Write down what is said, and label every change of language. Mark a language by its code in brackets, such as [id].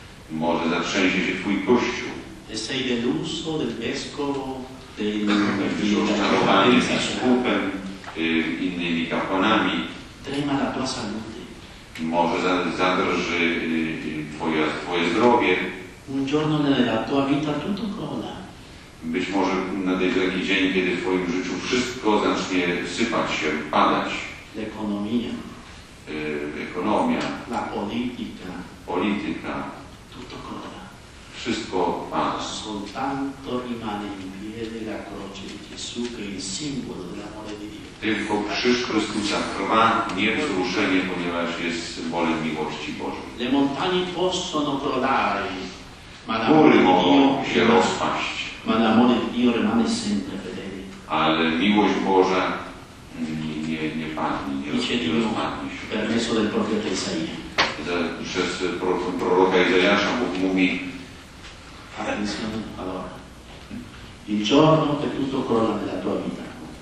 [pl] Może zatrzęsie się twój kościół. Jesteś [it] deluso del vescovo, del [pl] rozczarowany biskupem, innymi kapłanami. [it] Trema la tua salute. [pl] Może zadrży twoje zdrowie. [it] Un giorno nella tua vita tutto crolla. [pl] Być może nadejdzie taki dzień, kiedy w twoim życiu wszystko zacznie sypać się, padać. [it] L'economia. [pl] Ekonomia. [it] La politica. [pl] Polityka. [it] Tutto crolla. [pl] Wszystko pada. [it] Soltanto rimane in piedi la croce di Gesù, che è il simbolo dell'amore di Dio. [pl] Tylko krzyż Chrystusa trwa niewzruszenie, ponieważ jest symbolem miłości Bożej. [it] Le montagne possono crollare, ma [pl] góry mogą się rozpaść. [it] Ma l'amore di Dio rimane sempre fedele. [pl] Ale miłość Boża nie padnie, nie rozpadnie się. [it] Permesso del profeta Isaia. [pl] Przez proroka Izajasza Bóg mówi: [it] "Attenzione, allora, il giorno che tutto crolla nella tua vita."